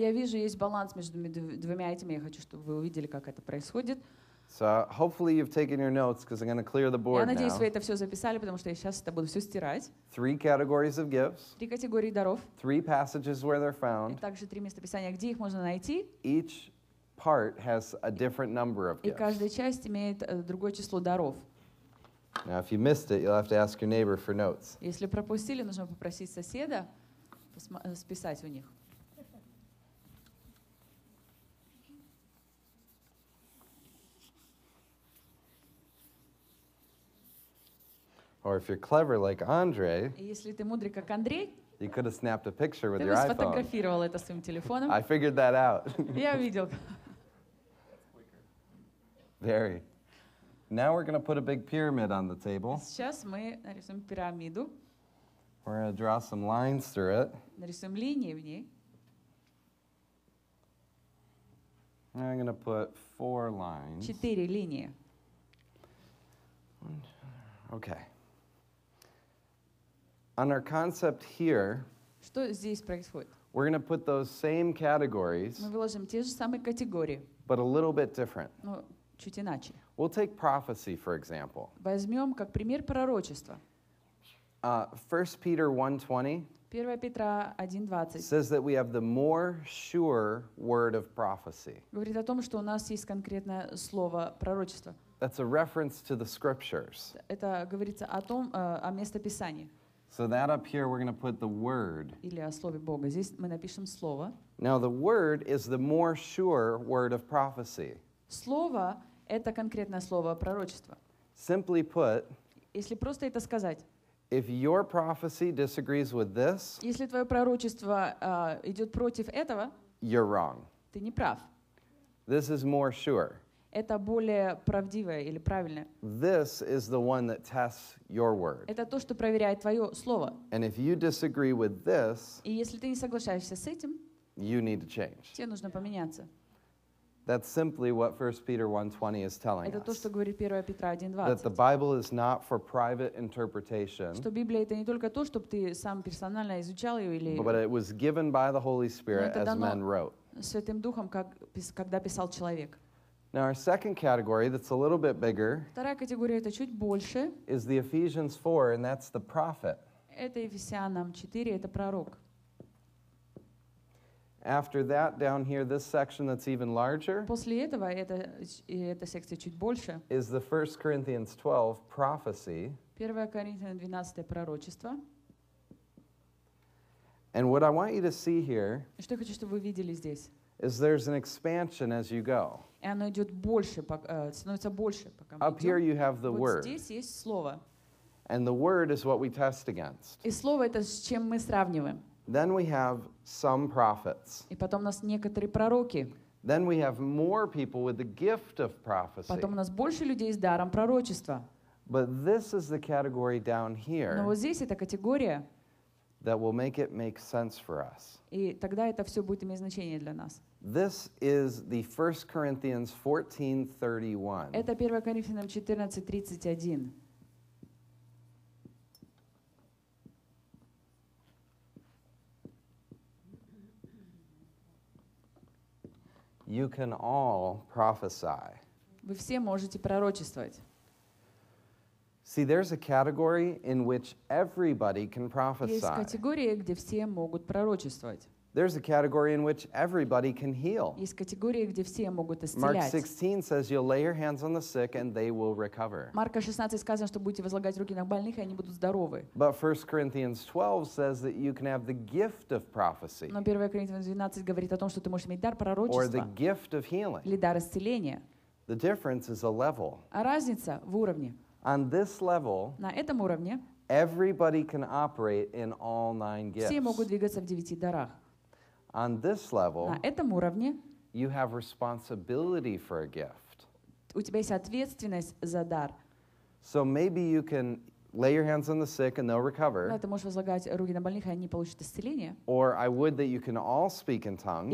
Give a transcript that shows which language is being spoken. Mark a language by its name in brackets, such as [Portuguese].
[Russian] Я вижу, есть баланс между двумя этими. Я хочу, чтобы вы увидели, как это происходит. [English] So hopefully you've taken your notes because I'm going to clear the board now. [Russian] Я надеюсь, [English] now. [Russian] Вы это все записали, потому что я сейчас это буду все стирать. [English] Three categories of gifts. [Russian] Три категории даров. [English] Three passages where they're found. [Russian] И также три места писания, где их можно найти. [English] Each part has a different number of gifts. [Russian] И каждая часть имеет другое число даров. [English] Now, if you missed it, you'll have to ask your neighbor for notes. [Russian] Если пропустили, нужно попросить соседа списать у них. [English] Or if you're clever like Andre, [Russian] если ты мудрый как Андрей, [English] you could have snapped a picture with your iPhone. [Russian] Ты бы сфотографировал это своим телефоном. [English] I figured that out. [Russian] Я видел. [English] Very. Now we're going to put a big pyramid on the table. [Russian] Сейчас мы нарисуем пирамиду. [English] We're going to draw some lines through it. [Russian] Нарисуем линии в ней. [English] And I'm going to put four lines. [Russian] Четыре линии. [English] Okay. On our concept here, [Russian] что здесь происходит? [English] We're going to put those same categories. [Russian] Мы выложим те же самые категории. [English] But a little bit different. [Russian] Ну, чуть иначе. [English] We'll take prophecy, for example. [Russian] Возьмем как пример пророчество. [English] 1 Peter 1:20 says that we have the more sure word of prophecy. [Russian] Говорит о том, что у нас есть конкретное слово пророчество. [English] That's a reference to the scriptures. [Russian] Это говорится о том, о местописании. [English] So that up here we're going to put the word. [Russian] Или о слове Бога. Здесь мы напишем слово. [English] Now the word is the more sure word of prophecy. [Russian] Слово это конкретное слово пророчества. [English] Simply put, [Russian] если просто это сказать, [English] if your prophecy disagrees with this, [Russian] если твое пророчество идет против этого, [English] you're wrong. [Russian] Ты не прав. [English] This is more sure. [Russian] Это более правдивое или правильное. [English] This is the one that tests your word. [Russian] Это то, что проверяет твое слово. [English] And if you disagree with this, [Russian] и если ты не соглашаешься с этим, [English] you need to change. [Russian] Тебе нужно поменяться. [English] That's simply what 1 Peter 1:20 is telling [Russian] это Это то, что говорит 1 Петра 1:20. [English] That the Bible is not for private interpretation. [Russian] Что Библия это не только то, чтобы ты сам персонально изучал ее или. [English] But it was given by the Holy Spirit as men wrote. [Russian] Святым Духом, как когда писал человек. [English] Now our second category, that's a little bit bigger. [Russian] Вторая категория это чуть больше. [English] Is the Ephesians 4, and that's the prophet. [Russian] Это Ефесянам 4, это пророк. [English] After that, down here, this section that's even larger [Russian] после этого, эта секция чуть больше, [English] is the 1 Corinthians 12, prophecy. [Russian] 1 Коринфянам 12, пророчество. [English] And what I want you to see here [Russian] что я хочу, чтобы вы видели здесь, [English] is there's an expansion as you go. [Russian] И оно идет больше, становится больше, пока [English] up [Russian] идем. [English] Here you have the [Russian] вот [English] word. [Russian] Здесь есть слово. [English] And the word is what we test against. [Russian] И слово это с чем мы сравниваем. [English] Then we have some prophets. [Russian] И потом у нас некоторые пророки. [English] Then we have more people with the gift of prophecy. [Russian] Потом у нас больше людей с даром пророчества. [English] But this is the category down here. [Russian] Но вот здесь эта категория. [English] that will make it make sense for us. [Russian] И тогда это все будет иметь значение для нас. [English] This is the 1 Corinthians 14:31. [Russian] Это 1 Коринфянам 14:31. [English] You can all prophesy. [Russian] Вы все можете пророчествовать. [English] See, there's a category in which everybody can prophesy. [Russian] Есть категория, где все могут пророчествовать. [English] There's a category in which everybody can heal. [Russian] Есть категория, где все могут исцелять. [English] Mark 16 says you'll lay your hands on the sick and they will recover. [Russian] Марка 16 сказано, что будете возлагать руки на больных, и они будут здоровы. [English] But 1 Corinthians 12 says that you can have the gift of prophecy. [Russian] Но 1 Коринфянам 12 говорит о том, что ты можешь иметь дар пророчества. [English] Or the gift of healing. [Russian] Или дар исцеления. [English] The difference is a level. [Russian] А разница в уровне. [English] On this level, [Russian] на этом уровне, [English] everybody can operate in all nine gifts. [Russian] Все могут двигаться в девяти дарах. [English] On this level, [Russian] на этом уровне, [English] you have responsibility for a gift. [Russian] У тебя есть ответственность за дар. [English] So maybe you can lay your hands on the sick and they'll recover. [Russian] Да, ты можешь возлагать руки на больных, и они получат исцеление. [English] Or I would that you can all speak in tongues,